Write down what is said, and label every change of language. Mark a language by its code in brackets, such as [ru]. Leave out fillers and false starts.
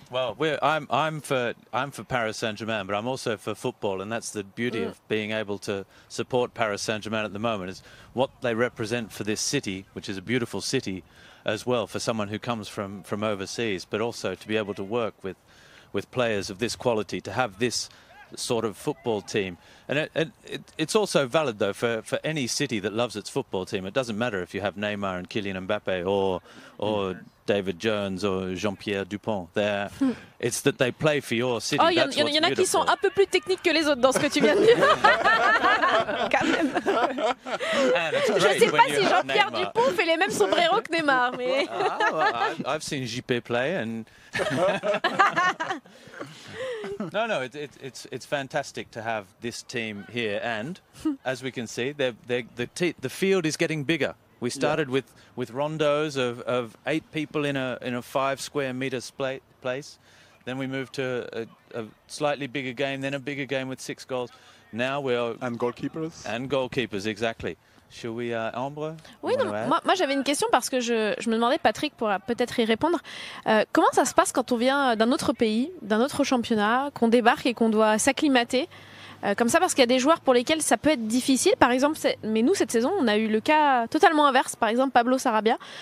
[en] Well, I'm for Paris Saint-Germain, but I'm also for football, and that's the beauty of being able to support Paris Saint-Germain at the moment, is what they represent for this city, which is a beautiful city, as well, for someone who comes from overseas, but also to be able to work with players of this quality, to have this sort of football team. And it's also valid, though, for any city that loves its football team. It doesn't matter if you have Neymar and Kylian Mbappe or David Jones or Jean-Pierre Dupont there. It's that they play for your city. [fr] Oh, il y en a qui sont un peu plus techniques que les autres dans ce que tu viens de dire. Quand même. Je ne sais pas si Jean-Pierre Dupont fait les mêmes sombreros que Neymar. Mais... [en] I've seen JP play and... No, it's fantastic to have this team here, and as we can see, the field is getting bigger. We started with rondos of eight people in a 5 square meter place. Then we moved to a slightly bigger game, then a bigger game with 6 goals. Now we're and goalkeepers exactly. Should we, Ambre? [fr] Oui, non. Moi, j'avais une question parce que je me demandais, Patrick pourra peut-être y répondre. Comment ça se passe quand on vient d'un autre pays, d'un autre championnat, qu'on débarque et qu'on doit s'acclimater comme ça, parce qu'il y a des joueurs pour lesquels ça peut être difficile. Par exemple, mais nous, cette saison, on a eu le cas totalement inverse. Par exemple, Pablo Sarabia.